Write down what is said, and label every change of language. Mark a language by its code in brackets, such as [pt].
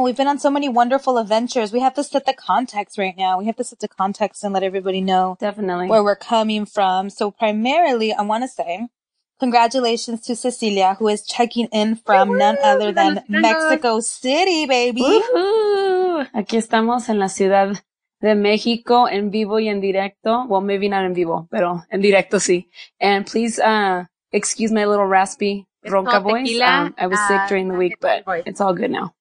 [en] We've been on so many wonderful adventures. We have to set the context right now. We have to set the context and let everybody know definitely where we're coming from. So primarily, I want to say congratulations to Cecilia, who is checking in from none other than Mexico City, baby. Woo-hoo. [es] Aquí estamos en la Ciudad de México, en vivo y en directo. [en] Well, maybe not [es] en vivo, pero en directo, sí. [en] And please excuse my little raspy Ronca voice. Tequila, I was sick during the week, but it's all good now.